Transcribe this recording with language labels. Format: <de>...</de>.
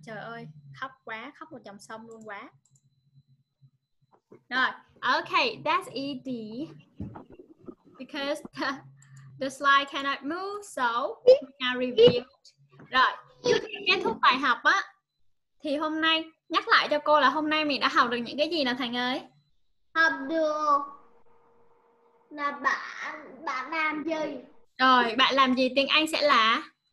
<vi>Trời ơi, khóc quá, khóc một dòng sông luôn quá.</vi> <en>Rồi, okay, that's easy because the slide cannot move, so now review.</en> <vi>Rồi, trước khi kết thúc bài học á, thì hôm nay nhắc lại cho cô là hôm nay mình đã học được những cái gì nào Thành ơi? Học được là bạn làm gì? Rồi, bạn làm gì tiếng Anh sẽ là</vi>